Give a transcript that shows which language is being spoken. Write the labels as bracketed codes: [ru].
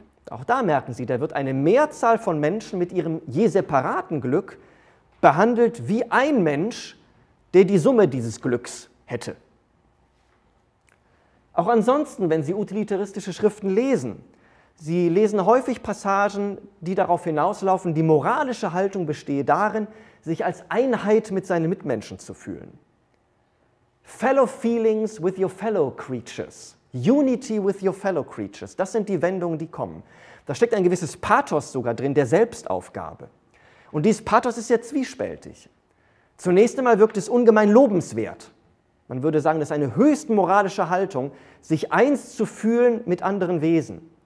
[de] Auch da merken Sie, da wird eine Mehrzahl von Menschen mit ihrem je separaten Glück behandelt wie ein Mensch, der die Summe dieses Glücks hätte. Auch ansonsten, wenn Sie utilitaristische Schriften lesen, Sie lesen häufig Passagen, die darauf hinauslaufen, die moralische Haltung bestehe darin, sich als Einheit mit seinen Mitmenschen zu fühlen. [en] Fellow feelings with your fellow creatures. Unity with your fellow creatures. [de] Das sind die Wendungen, die kommen. Da steckt ein gewisses Pathos sogar drin, der Selbstaufgabe. Und dieses Pathos ist ja zwiespältig. Zunächst einmal wirkt es ungemein lobenswert. Man würde sagen, das ist eine höchst moralische Haltung, sich eins zu fühlen mit anderen Wesen.